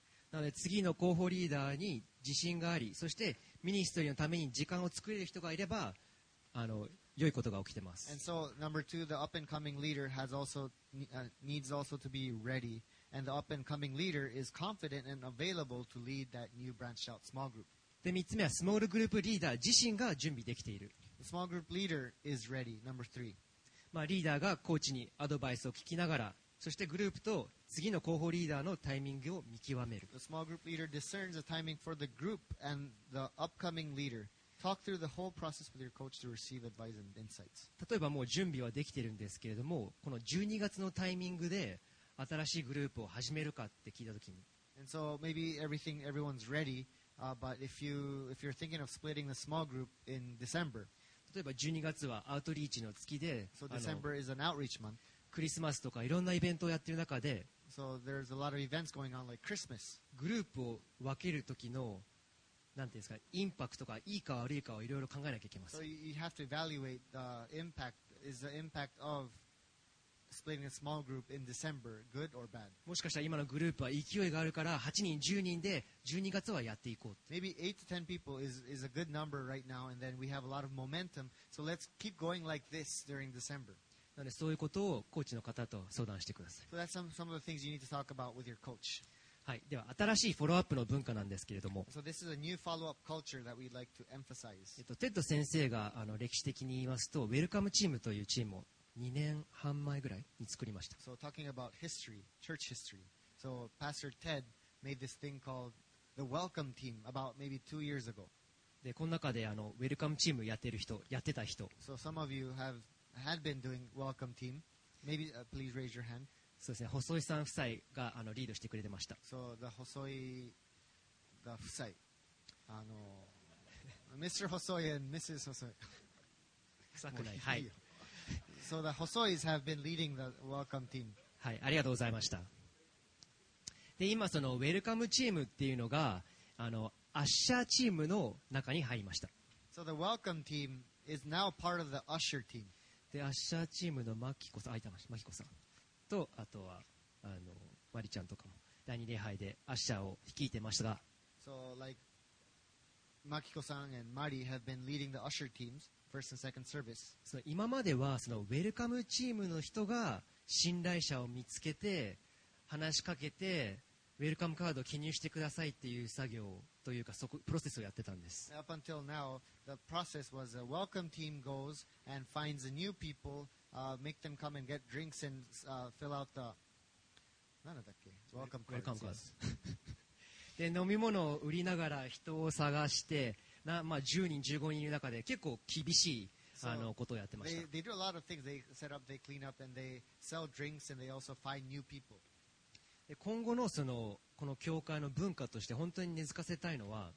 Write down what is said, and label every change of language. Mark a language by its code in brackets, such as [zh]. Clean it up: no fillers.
[ja] なので次の候補リーダーに自信があり、そしてミニストリーのために時間を作れる人がいれば、あの良いことが起きてます。 [en] And so number two, the up and coming leader has also needs also to be ready, and the up and coming leader is confident and available to lead that new branched out small group. [ja] で3つ目はスモールグループリーダー自身が準備できている。 [en] The small group leader is ready. Number three. [ja] まあ、リーダーがコーチにアドバイスを聞きながら、そしてグループと次の候補リーダーのタイミングを見極める。 [en] The small group leader discerns the timing for the group and the upcoming leader. Talk through the whole process with your coach to receive advice and insights. [ja] 例えばもう準備はできているんですけれども、この12月のタイミングで新しいグループを始めるかって聞いたときに。 [en] And so maybe everyone's ready, but if you're thinking of splitting the small group in December. [ja] 例えば12月はアウトリーチの月で、 [en] so、December is an outreach month. [ja] クリスマスとかいろんなイベントをやっている中で、 [en] so、there's a lot of events going on like Christmas. [ja] グループを分けるときのなんていうんですか、インパクトがいいか悪いかをいろいろ考えなきゃいけません。 [en] So you have to evaluate the impact. Is the impact of splitting a small group in December good or bad? [ja] もしかしたら今のグループは勢いがあるから8人10人で12月はやっていこう。 [en] Maybe 8 to 10 people is a good number right now and then we have a lot of momentum so let's keep going like this during December. [ja] なのでそういうことをコーチの方と相談してください。 [en] So that's some of the things you need to talk about with your coach. [ja] はい、では新しいフォローアップの文化なんですけれども、 [en] So this is a new follow-up culture that we'd like to emphasize. [ja] テッド先生が歴史的に言いますとウェルカムチームというチームを2年半前ぐらいに作りました。 [en] So talking about history, church history. So Pastor Ted made this thing called the Welcome Team about maybe 2 years ago. [ja] で、この中でウェルカムチームやってる人、やってた人。 [en] So some of you had been doing Welcome Team. Maybe please raise your hand. [ja] そうですね、細井さん夫妻がリードしてくれてました。 [en] So the 細井the 夫妻。 Mr. 細井 and Mrs. 細井。 [ja] 臭くない、はい。 [en] So the Hosois have been leading the welcome team. [ja] はい、ありがとうございました。で、今そのウェルカムチームっていうのがアッシャーチームの中に入りました。 [en] So the welcome team is now part of the usher team. [ja] で、アッシャーチームのマキコさん、あ、いたました、マキコさんと、あとはあのマリちゃんとかも第二礼拝でアッシャーを率いてましたが。 [en] So like Makiko-san and Mari have been leading the usher teams first and second service. [ja] その今まではそのウェルカムチームの人が信頼者を見つけて話しかけてウェルカムカードを記入してくださいっていう作業というかそこプロセスをやってたんです。 [en] Up until now, the process was a welcome team goes and finds the new people, make them come and get drinks and fill out the [ja] 何だっけ [en] welcome cards. Welcome cards. [ja] で飲み物を売りながら人を探してな、まあ、10人15人の中で結構厳しい、あのことをやってました。 [en] they do a lot of things. They set up, they clean up, and they sell drinks, and they also find new people. [ja] で今後のそのこの教会の文化として本当に根付かせたいのは、